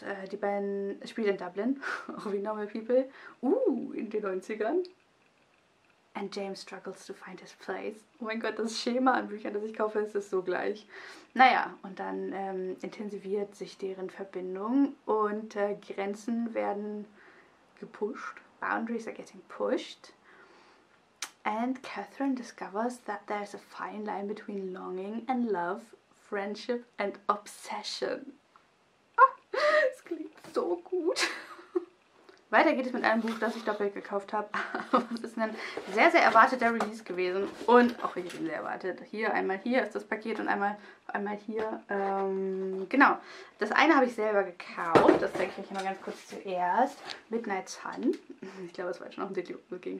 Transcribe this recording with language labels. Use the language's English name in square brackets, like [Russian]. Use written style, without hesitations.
[German] Die beiden spielen in Dublin. Auch wie Normal People. In den 90ern. [English] And James struggles to find his place. [German] Oh mein Gott, das Schema an Büchern, das ich kaufe, ist es so gleich. Naja, und dann intensiviert sich deren Verbindung und Grenzen werden gepusht. [English] Boundaries are getting pushed. And Catherine discovers that there's a fine line between longing and love, friendship and obsession. [German] Es klingt so gut. Weiter geht es mit einem Buch, das ich doppelt gekauft habe. Es ist ein sehr, sehr erwarteter Release gewesen. Und auch ich bin sehr erwartet. Hier ist das Paket und einmal hier. Genau. Das eine habe ich selber gekauft. Das zeige ich euch mal ganz kurz zuerst. Midnight Sun. Ich glaube, es war schon auf dem Titel ging.